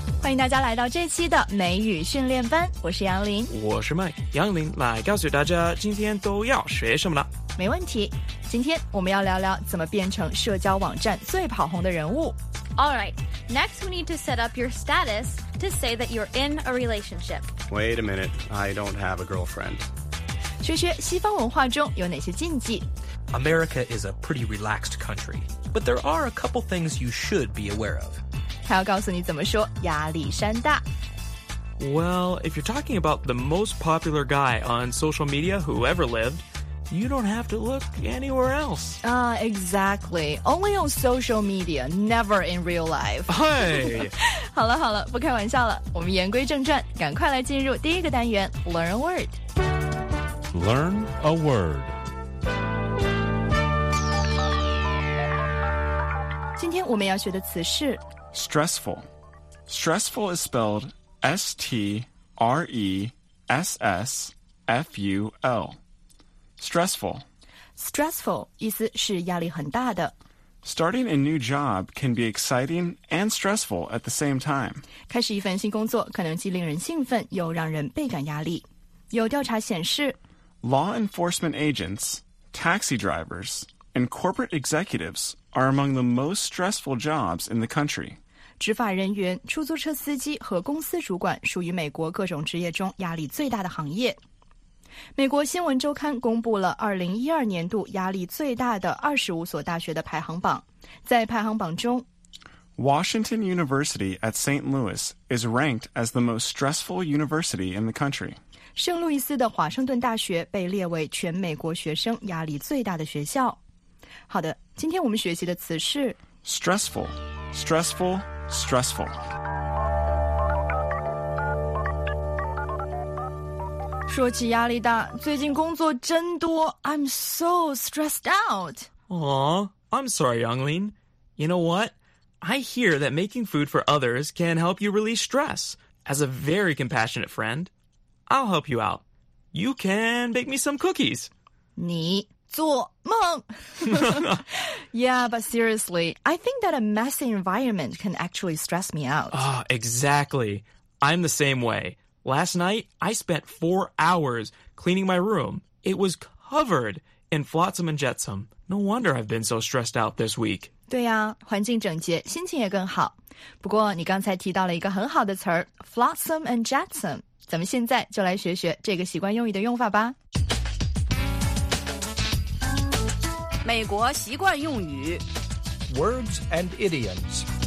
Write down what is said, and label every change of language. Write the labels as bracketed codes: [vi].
[zh] 迎大家来到这期的美语训练班，我是杨林，我是 Mike。杨林来告诉大家今天都要学什么了。没问题，今天我们要聊聊怎么变成社交网站最跑红的人物。 [en] Alright, next we need to set up your status to say that you're in a relationship. Wait a minute, I don't have a girlfriend. [zh] 学学西方文化中有哪些禁忌。 [en] America is a pretty relaxed country, but there are a couple things you should be aware of. [zh] 还要告诉你怎么说亚历山大。 [en] Well, if you're talking about the most popular guy on social media who ever lived, you don't have to look anywhere else. Exactly. Only on social media, never in real life. Hey! [zh] 好了好了，不开玩笑了，我们言归正传，赶快来进入第一个单元 [en] Learn a Word. Learn a Word. [zh] 今天我们要学的词是 [en] stressful. Stressful is spelled S-T-R-E-S-S-F-U-L. Stressful. [zh] Stressful 意思是压力很大的。 [en] Starting a new job can be exciting and stressful at the same time. [zh] 开始一份新工作可能既令人兴奋又让人倍感压力。有调查显示 [en] Law enforcement agents, taxi drivers, and corporate executivesare among the most stressful jobs in the country. [zh] 执法人员、出租车司机和公司主管属于美国各种职业中压力最大的行业。美国新闻周刊公布了2012年度压力最大的25所大学的排行榜。在排行榜中 [en] Washington University at St. Louis is ranked as the most stressful university in the country. [zh] 圣路易斯的华盛顿大学被列为全美国学生压力最大的学校。好的，今天我们学习的词是 [en] stressful, stressful, stressful. I'm so stressed out. Aw, I'm sorry, Yanglin. You know what? I hear that making food for others can help you release stress. As a very compassionate friend, I'll help you out. You can bake me some cookies. [zh] 你做梦! [en] Yeah, but seriously, I think that a messy environment can actually stress me out. Oh, exactly. I'm the same way. Last night, I spent 4 hours cleaning my room. It was covered in flotsam and jetsam. No wonder I've been so stressed out this week. [zh] 对呀、啊、环境整洁心情也更好。不过你刚才提到了一个很好的词儿 flotsam and jetsam. 咱们现在就来学学这个习惯用语的用法吧。美国习惯用语 [en] Words and idioms.